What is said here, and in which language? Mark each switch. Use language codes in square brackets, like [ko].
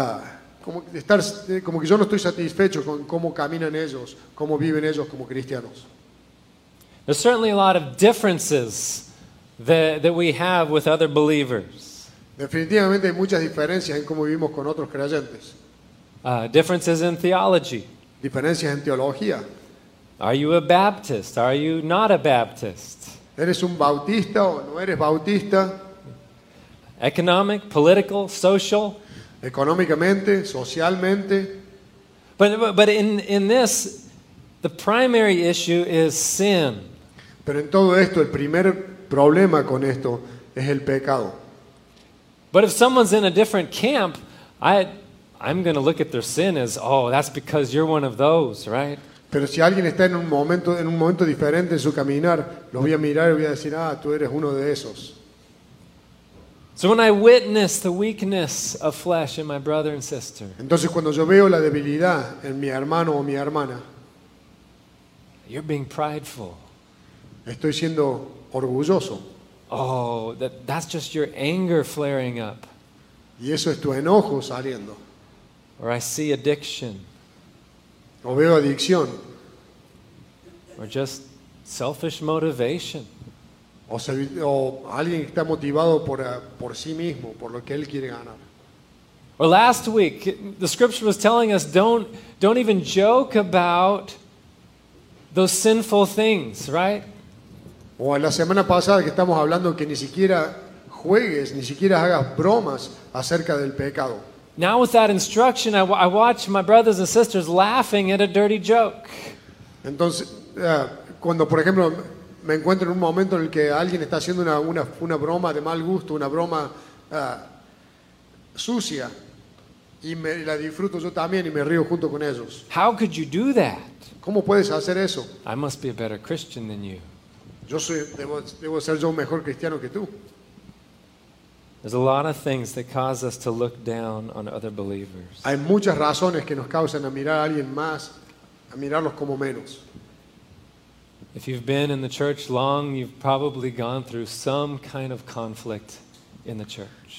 [es] Mirar a alguien como que yo no estoy satisfecho con cómo caminan ellos, cómo viven ellos como cristianos. [en] There's certainly a lot of differences that we have with other believers. [es] Definitivamente hay muchas diferencias en cómo vivimos con otros creyentes. [en] Differences in theology. [es] Diferencias en teología. [en] Are you a Baptist? Are you not a Baptist? [es] ¿Eres un bautista o no eres bautista? [en] Economic, political, social. [es] Económicamente, socialmente. [en] But in this, the primary issue is sin. [es] Pero en todo esto, el primer problema con esto es el pecado. [en] But if someone's in a different camp, I'm going to look at their sin as, oh, that's because you're one of those, right? [es] Pero si alguien está en un momento diferente en su caminar, lo voy a mirar y voy a decir, ah, tú eres uno de esos. [en] So when I witness the weakness of flesh in my brother and sister, [es] entonces cuando yo veo la debilidad en mi hermano o mi hermana, [en] you're being prideful. [es] Estoy siendo orgulloso. [en] Oh, that's just your anger flaring up. [es] Y eso es tu enojo saliendo. [en] Or I see addiction. [es] O veo adicción. [en] Or just selfish motivation. [es] O alguien que está motivado por sí mismo, por lo que él quiere ganar. [en] Or last week, the scripture was telling us don't even joke about those sinful things, right? [es] O la semana pasada que estamos hablando que ni siquiera juegues, ni siquiera hagas bromas acerca del pecado. [en] Now with that instruction, I watch my brothers and sisters laughing at a dirty joke. [es] Entonces, cuando por ejemplo me encuentro en un momento en el que alguien está haciendo una broma de mal gusto, una broma sucia, y me la disfruto yo también y me río junto con ellos. [en] How could you do that? [es] ¿Cómo puedes hacer eso? [en] I must be a better Christian than you. [es] Debo ser yo un mejor cristiano que tú. [en] There's a lot of things that cause us to look down on other believers. [es] Hay muchas razones que nos causan a mirar a alguien más, a mirarlos como menos. [en] If you've been in the church long, you've probably gone through some kind of conflict in the church.